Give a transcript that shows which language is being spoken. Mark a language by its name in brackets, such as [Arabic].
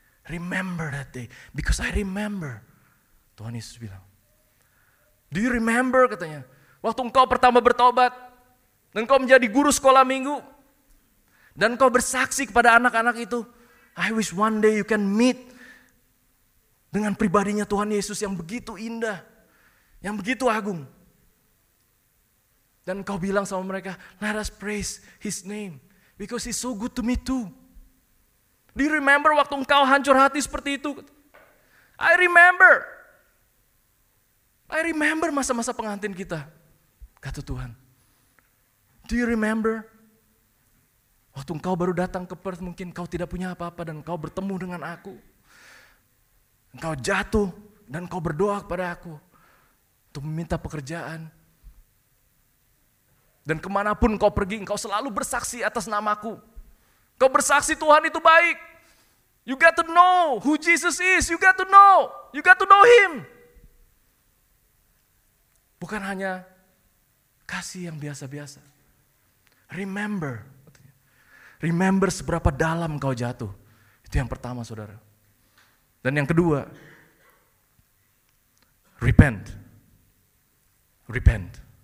[English] Remember that day. Because I remember. [Indonesian] Tuhan Yesus bilang. [English] Do you remember, [Indonesian] katanya. Waktu engkau pertama bertobat. Dan engkau menjadi guru sekolah minggu. Dan engkau bersaksi kepada anak-anak itu. [English] I wish one day you can meet. [Indonesian] Dengan pribadinya Tuhan Yesus yang begitu indah. Yang begitu agung. Dan engkau bilang sama mereka. [English] Let us praise his name. Because he's so good to me too. Do you remember [Indonesian] waktu engkau hancur hati seperti itu? [English] I remember. I remember [Indonesian] masa-masa pengantin kita. Kata Tuhan. [English] Do you remember? [Indonesian] Waktu engkau baru datang ke Perth, mungkin engkau tidak punya apa-apa dan engkau bertemu dengan aku. Engkau jatuh dan engkau berdoa kepada aku. Untuk meminta pekerjaan. Dan kemanapun engkau pergi, engkau selalu bersaksi atas namaku. Engkau bersaksi Tuhan itu baik. [English] You got to know who Jesus is. You got to know. You got to know him. [Indonesian] Bukan hanya kasih yang biasa-biasa. [English] Remember. Remember [Indonesian] seberapa dalam engkau jatuh. Itu yang pertama, saudara. Dan yang kedua, [English] repent. Repent.